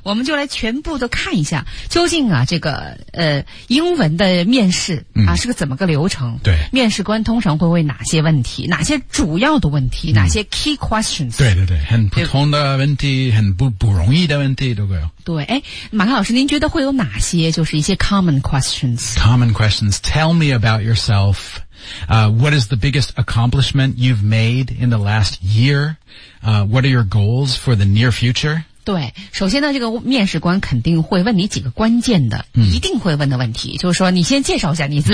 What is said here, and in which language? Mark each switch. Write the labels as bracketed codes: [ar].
[zh] 我们就来全部都看一下究竟啊这个英文的面试啊、是个怎么个流程，对，面试官通常会问哪些问题，哪些主要的问题、哪些 [en] key questions， [zh] 对对对，很普通的问题，很不容易的问题都会有。对，诶，马克老师您觉得会有哪些就是一些 [en] common questions, tell me about yourselfWhat is the biggest accomplishment you've made in the last year? What are your goals for the near future? [zh] 对，首先呢，这个面试官肯定会问你几个关键的、一定会问的问题，就是说你先介绍一下你自己。